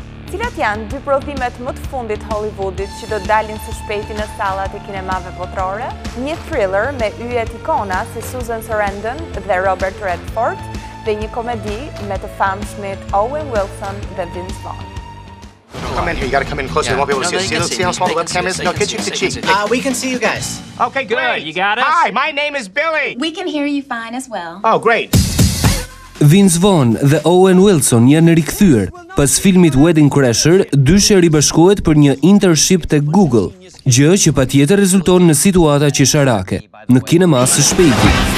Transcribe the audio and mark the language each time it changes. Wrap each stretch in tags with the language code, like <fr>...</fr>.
<sq>Cilat janë dy prodhimet më të fundit të Hollywoodit që do të dalin së shpejti në sallat e kinemave botërore? Një thriller me yjet ikona si Susan Sarandon dhe Robert Redford dhe një komedi me të famshmit Owen Wilson dhe Vince Vaughn.</sq> <en>Come in here, you gotta come in closer, yeah. They won't be able to no, see us. See, see how small the webcam is? No, get you to cheek. We can see you guys. Okay, good. Great. You got us? Hi, my name is Billy. We can hear you fine as well. Oh, great.</en> <sq>Vince Vaughn dhe Owen Wilson janë rikthyer. Pas filmit Wedding Crasher, dyshe ribashkohet për një internship tek Google, gjë që patjetër rezulton në situata qesharake, në kinema së shpejti.</sq>